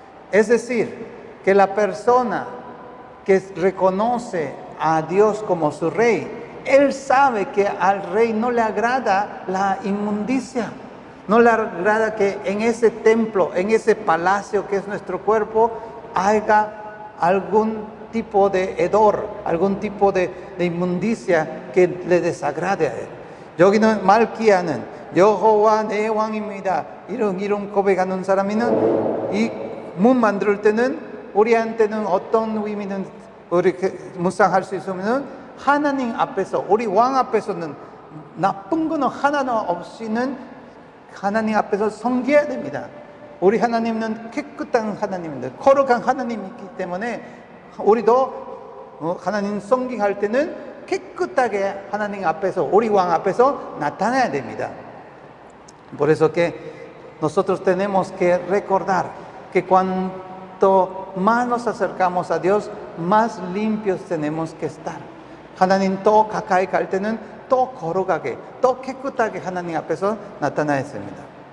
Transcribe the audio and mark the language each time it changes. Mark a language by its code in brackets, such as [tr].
[es] Es decir, que la persona que reconoce a Dios como su rey, él sabe que al rey no le agrada la inmundicia, no le agrada que en ese templo, en ese palacio que es nuestro cuerpo, haya algún tipo de hedor, algún tipo de inmundicia que le desagrade a él. [ko] 여기는 말키야는 여호와 내 왕입니다. 이런 고백하는 사람이는 이 문 만들 때는 우리한테는 어떤 의미는 우리 묵상할 수 있으면 하나님 앞에서 우리 왕 앞에서는 나쁜 거는 하나도 없이는 하나님 앞에서 성기해야 됩니다. 우리 하나님은 깨끗한 하나님인데 거룩한 하나님이기 때문에 우리도 하나님 성기할 때는 깨끗하게 하나님 앞에서 우리 왕 앞에서 나타나야 됩니다. [es] Por eso que nosotros tenemos que recordar que cuanto más nos acercamos a Dios, más limpios tenemos que estar. [ko] 하나님 더 가까이 갈 때는 더 거룩하게, 더 깨끗하게 하나님 앞에서 나타나야 됩니다.